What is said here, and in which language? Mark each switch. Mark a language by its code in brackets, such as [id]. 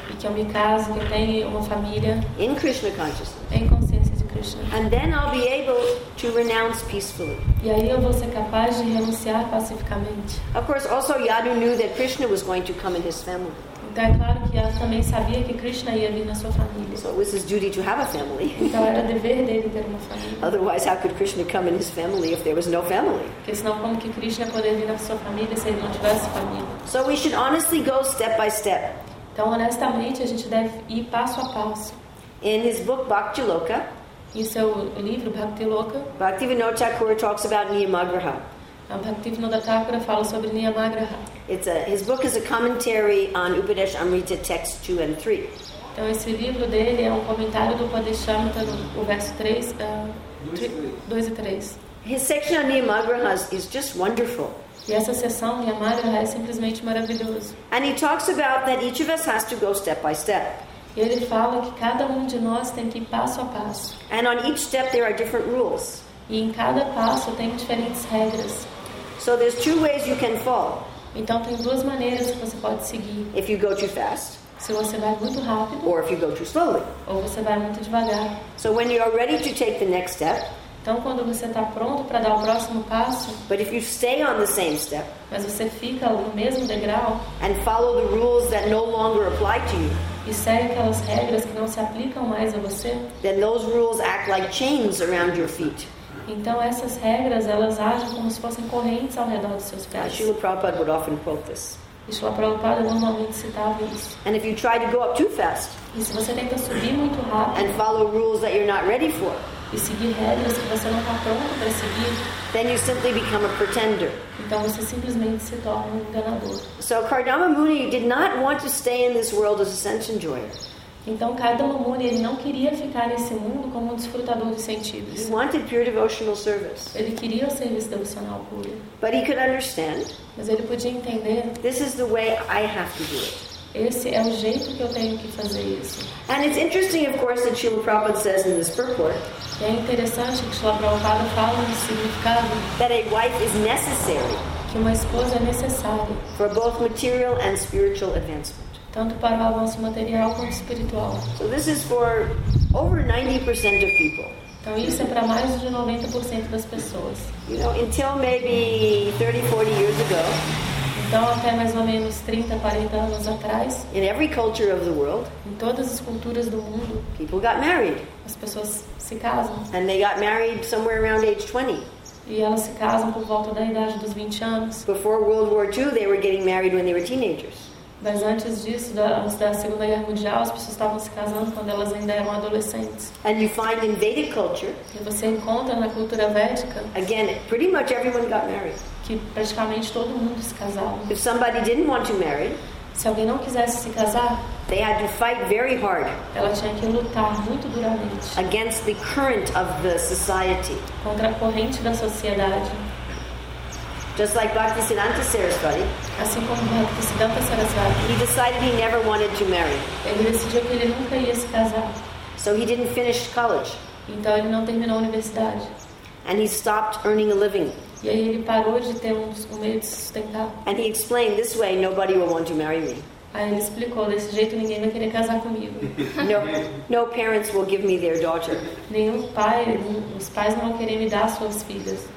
[pt] E que eu me case, que eu tenha uma família. [en] In Krishna consciousness. [pt] Em consciência de Krishna. [en] And then I'll be able to renounce peacefully. [pt] E aí eu vou ser capaz de renunciar pacificamente. [en] Of course, also Yadu knew that Krishna was going to come in his family. [pt] Então é claro que Yadu também sabia que Krishna ia vir na sua família. [en] So it was his duty to have a family. [pt] Então era dever dele ter uma família. [en] Otherwise, how could Krishna come in his family if there was no family? [pt] Porque senão como que Krishna poderia vir na sua família se ele não tivesse família? [en] So we should honestly go step by step. [pt] Então honestamente a gente deve ir passo a passo. [en] In his book Bhakti Loka. [pt] Em seu livro Bhakti Loka. [en] Bhaktivinoda Thakura talks about Niyamagraha. [pt] Bhaktivinoda Thakura fala sobre Niyamagraha. [en] It's a, his book is a commentary on Upadesha Amrita texts 2 and 3. [pt] Então esse livro dele é um comentário do Upadesha Amrita, o verso 3, 2 e 3. [en] His section on Niyamagraha is just wonderful. [pt] E essa seção Niyamagraha é simplesmente maravilhoso. [en] And he talks about that each of us has to go step by step. [pt] E ele fala que cada de nós tem que ir passo a passo. [en] And on each step there are different rules. [pt] E em cada passo tem diferentes regras. [en] So there's two ways you can fall. [pt] Então tem duas maneiras que você pode seguir. [en] If you go too fast. [pt] Se você vai muito rápido. [en] Or if you go too slowly. [pt] Ou você vai muito devagar. [en] So when you are ready to take the next step. [pt] Então quando você está pronto para dar o próximo passo. [en] But if you stay on the same step. [pt] Mas você fica no mesmo degrau. [en] And follow the rules that no longer apply to you. [pt] E segue aquelas regras que não se aplicam mais a você. [en] Then those rules act like chains around your feet. [pt] Então essas regras elas agem como se fossem correntes ao redor dos seus pés. [en] Srila Prabhupada would often quote this. [pt] Srila Prabhupada normalmente citava isso. [en] And if you try to go up too fast. [pt] E se você tenta subir muito rápido. [en] And follow rules that you're not ready for. [pt] E seguir regras que você não está pronto para seguir. [en] Then you simply become a pretender. [pt] Então você simplesmente se torna enganador. [en] So Kardama Muni did not want to stay in this world as ascension joyer. [pt] Então Kardama Muni ele não queria ficar nesse mundo como um desfrutador de sentidos. [en] He wanted pure devotional service. [pt] Ele queria o serviço devocional puro. [en] But he could understand. [pt] Mas ele podia entender. [en] This is the way I have to do it. [pt] Esse é o jeito que eu tenho que fazer isso. [en] And it's interesting, of course, that Srila Prabhupada says in this purport. [pt] É interessante que Srila Prabhupada fala no significado. [en] That a wife is necessary. [pt] Que uma esposa é necessária. [en] For both material and spiritual advancement. [pt] Tanto para o avanço material quanto espiritual. [en] So this is for over 90% of people. [pt] Então isso é para mais de 90% das pessoas. [en] You know, until maybe 30, 40 years ago. [pt] Então até mais ou menos 30, 40 anos atrás. [en] In every culture of the world. [pt] Em todas as culturas do mundo. [en] People got married. [pt] As pessoas se casam. [en] And they got married somewhere around age 20. [pt] E elas se casam por volta da idade dos 20 anos. [en] Before World War II, they were getting married when they were teenagers. [pt] Mas antes disso, antes da Segunda Guerra Mundial, as pessoas estavam se casando quando elas ainda eram adolescentes. [en] And you find in Vedic culture, [pt] e você encontra na cultura védica, [en] again, pretty much everyone got married. [pt] Que praticamente todo mundo se casava. [en] If somebody didn't want to marry, [pt] se alguém não quisesse se casar, [en] they had to fight very hard, [pt] ela tinha que lutar muito duramente [en] against the current of the society. [pt] Contra a corrente da sociedade. [en] Just like Bhaktisiddhanta Saraswati, [pt] assim como Bhaktisiddhanta Saraswati, [en] he decided he never wanted to marry. [pt] Ele decidiu que ele nunca ia se casar. [en] So he didn't finish college. [pt] Então ele não terminou a universidade. [en] And he stopped earning a living. [pt] E aí ele parou de ter um meio de sustentar. [en] And he explained this way, nobody will want to marry me. [pt] Aí ele explicou, desse jeito ninguém vai querer casar comigo. [en] No parents will give me their daughter. [pt] Nenhum pai, os pais não vão querer me dar suas filhas.